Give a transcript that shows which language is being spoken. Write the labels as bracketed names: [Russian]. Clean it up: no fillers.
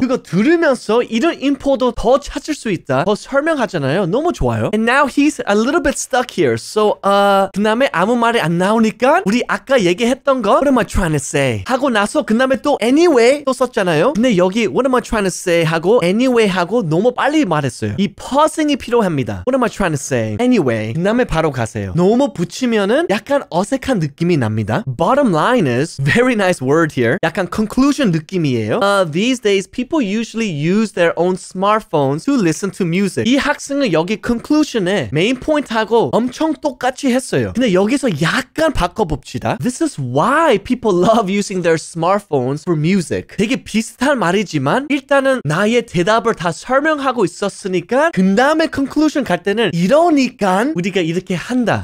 [Korean] 그거 들으면서 이런 인포도 더 찾을 수 있다. 더 설명하잖아요. 너무 좋아요. [English] And now he's a little bit stuck here. [Korean] So, 그다음에 아무 말이 안 나오니까 우리 아까 얘기했던 거 [English] What am I trying to say? [Korean] 하고 나서 그 다음에 또 anyway 또 썼잖아요. 근데 여기 [English] What am I trying to say? [Korean] 하고 anyway 하고 너무 빨리 말했어요. 이 pausing이 필요합니다. [English] What am I trying to say? [Korean] Anyway 그 다음에 바로 가세요. 너무 붙이면은 약간 어색한 느낌이 납니다. [English] Bottom line is very nice word here. [Korean] 약간 conclusion 느낌이에요. [English] These days people usually use their own smartphones to listen to music. [Korean] 이 학생은 여기 conclusion에 main point하고 엄청 똑같이 했어요. 근데 여기서 약간 바꿔 [English] This is why people love using their smartphones for music. [Korean] 되게 비슷한 말이지만 일단은 나의 대답을 다 설명하고 있었으니까 그 다음에 conclusion 갈 때는 이러니까 우리가 이렇게 한다.